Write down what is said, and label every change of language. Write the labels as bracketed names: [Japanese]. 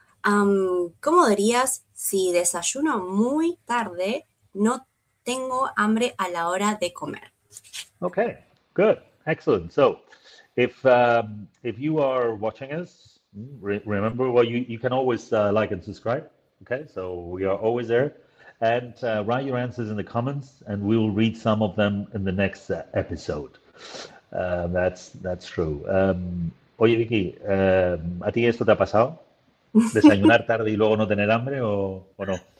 [Spanish] ¿Cómo dirías si desayuno muy tarde, no tengo hambre a la hora de comer? [English] Okay, good. Excellent. So if you are watching us, remember, well, you can always like and subscribe. Okay, so we are always there. And write your answers in the comments and we will read some of them in the next episode. That's true. [Spanish] Oye, Vicky, ¿a ti esto te ha pasado? ¿Desayunar tarde y luego no tener hambre o no?